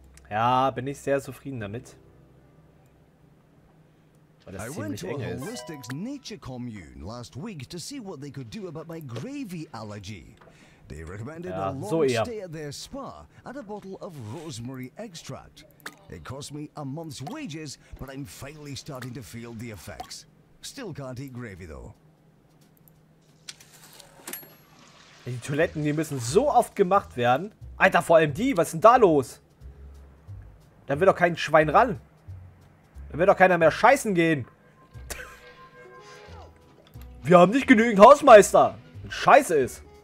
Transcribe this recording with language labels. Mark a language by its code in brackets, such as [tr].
[de] Ja, bin ich sehr zufrieden damit. Weil das ziemlich eng ist. [en] Holistics Nature Commune last week to see what they could do about my gravy allergy. They recommended a long stay at their spa and a bottle of rosemary extract. It cost me a month's wages, but I'm finally starting to feel the effects. Still can't eat gravy though. [de] Die Toiletten, die müssen so oft gemacht werden. Alter, vor allem die, was ist denn da los? Da will doch kein Schwein ran. Da will doch keiner mehr scheißen gehen. Wir haben nicht genügend Hausmeister. Wenn Scheiße ist.